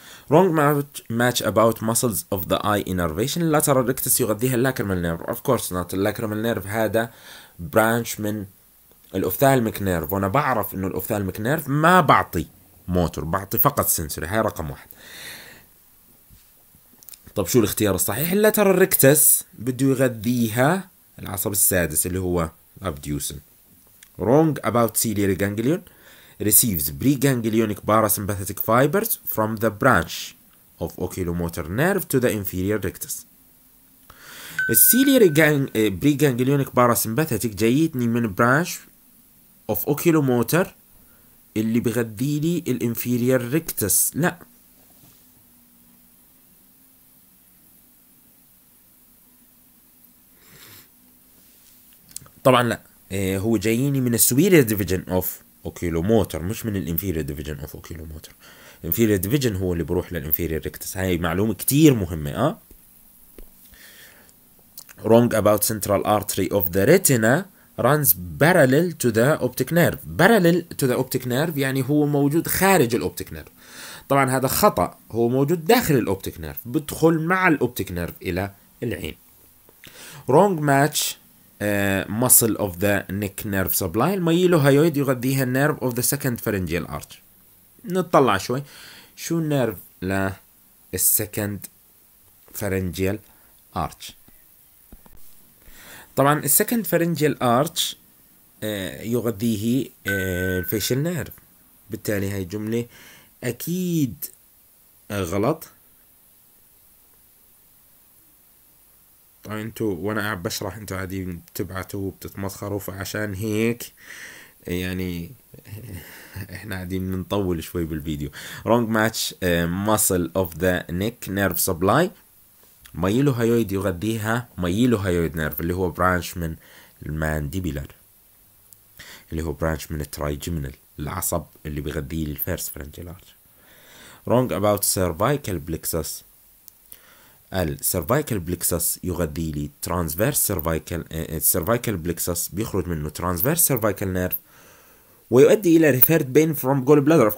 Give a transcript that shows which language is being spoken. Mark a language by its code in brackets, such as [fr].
[en] wrong match about muscles of the eye innervation. [ar] lateral rectus يغذيها اللاكرمال نيرف. [en] of course not. [ar] اللاكرمال نيرف هذا branch من الاوفثالميك نيرف، وانا بعرف انه الاوفثالميك نيرف ما بعطي موتور، بعطي فقط سنسوري. هاي رقم واحد. طب شو الاختيار الصحيح؟ اللاترال ريكتس بده يغذيها العصب السادس اللي هو ابديوسن. [en] wrong about ciliary ganglion. receives preganglionic parasympathetic fibers from the branch of oculomotor nerve to the inferior rectus. [ar] الciliary preganglionic parasympathetic جايتني من [en] branch of oculomotor [ar] اللي بغذي لي الانفيريور ريكتس. لا، طبعا لا، هو جاييني من السويريور ديفيجن اوف اوكيلوموتر مش من الانفيريور ديفيجن اوف اوكيلوموتر. الانفيريور ديفيجن هو اللي بروح للانفيريور ريكتس. هاي معلومه كتير مهمه. [en] wrong about central artery of the retina runs parallel to the optic nerve. Parallel to the optic nerve [ar] يعني هو موجود خارج الأوبتيك نيرف. طبعا هذا خطأ، هو موجود داخل الأوبتيك نيرف، بدخل مع الأوبتيك نيرف إلى العين. [en] wrong match muscle of the neck nerve supply. [ar] الميلو هايويد يغذيها [en] nerve of the second pharyngeal artery. [ar] نطلع شوي شو النيرف لا السكند فارنجيال ارتش. طبعا السكند فارنجيال ارتش يغذيه الفيشل نيرف، بالتالي هاي جملة اكيد غلط. طبعا انتو وانا قاعد بشرح انتو عادي بتبعتوا وبتتمسخروا، فعشان هيك يعني احنا قاعدين نطول شوي بالفيديو. [en] wrong match muscle of the neck nerve supply. [ar] ميلو هايويد يغذيها ميلو هايويد نيرف اللي هو برانش من المانديبولر، اللي هو برانش من الترايجمنال، العصب اللي بيغذيه الفيرست فرنجيال ارتش. [en] wrong about cervical plexus. [ar] السيرفايكال بلكسس يغذي لي ترانسفيرس سيرفايكال، السيرفايكال بلكسس بيخرج منه ترانسفيرس سيرفايكال نيرف ويؤدي الى ريفيرد بين فروم جول بلادر.